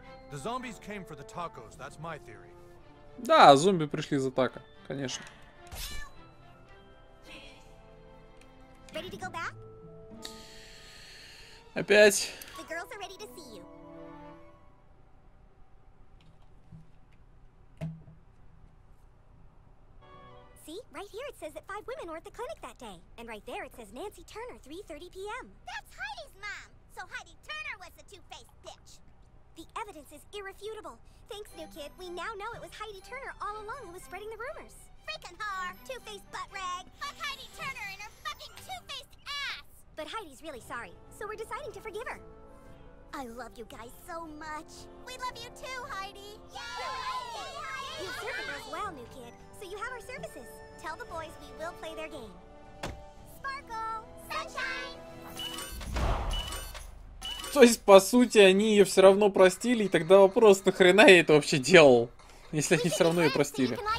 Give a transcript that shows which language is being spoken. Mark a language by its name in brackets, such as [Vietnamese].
[English] The zombies came for the tacos, that's my theory. [Russian] Да, зомби пришли за тако, конечно. [English] Ready to go back? [Russian] Опять. [English] The girls are ready to see you. See, right here it says that five women were at the clinic that day. And right there it says Nancy Turner, 3:30 p.m. That's Heidi's mom! So Heidi Turner was the two-faced bitch! The evidence is irrefutable. Thanks, new kid. We now know it was Heidi Turner all along who was spreading the rumors. Freaking whore! Two-faced butt rag! Fuck Heidi Turner and her fucking two-faced ass! But Heidi's really sorry, so we're deciding to forgive her. I love you guys so much. We love you too, Heidi! Yay! Yay, Heidi! You serve us well, new kid, so you have our services. Tell the boys we will play their game. Sparkle! Sunshine! [Russian] То есть, по сути, они ее все равно простили, и тогда вопрос, нахрена я это вообще делал, если они все равно ее простили.